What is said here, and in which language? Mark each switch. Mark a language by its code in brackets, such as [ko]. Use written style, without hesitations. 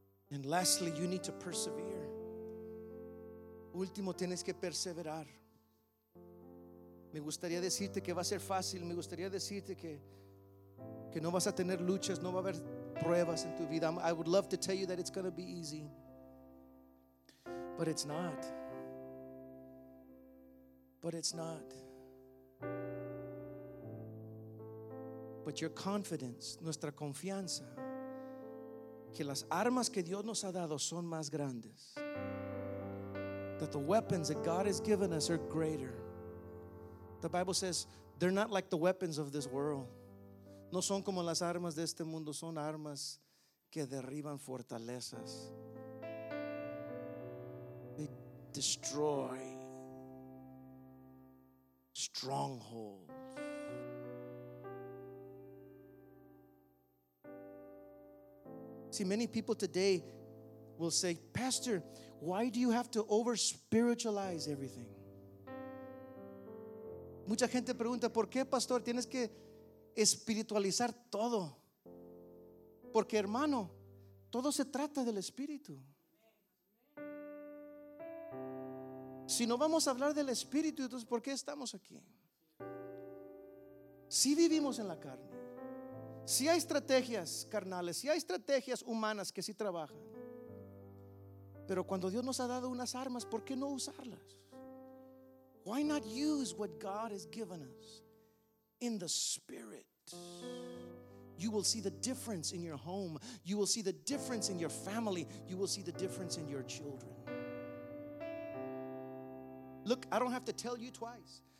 [en] And lastly, you need to persevere. [es] Último, tienes que perseverar. Me gustaría decirte que va a ser fácil. Me gustaría decirte que no vas a tener luchas, no va a haber pruebas en tu vida. [en] I would love to tell you that it's going to be easy, but it's not. But it's not. But your confidence, [es] nuestra confianza, que las armas que Dios nos ha dado son más grandes. [en] That the weapons that God has given us are greater. The Bible says they're not like the weapons of this world. [es] No son como las armas de este mundo, son armas que derriban fortalezas. [en] They destroy strongholds. See, many people today will say, Pastor, why do you have to over-spiritualize everything? [es] Mucha gente pregunta, ¿por qué, Pastor, tienes que espiritualizar todo? Porque, hermano, todo se trata del Espíritu. Si no vamos a hablar del Espíritu, entonces, ¿por qué estamos aquí? Si sí vivimos en la carne, si sí hay estrategias carnales, si sí hay estrategias humanas que sí trabajan, pero cuando Dios nos ha dado unas armas, ¿por qué no usarlas? [en] Why not use what God has given us in the Spirit? You will see the difference in your home. You will see the difference in your family. You will see the difference in your children. Look, I don't have to tell you twice.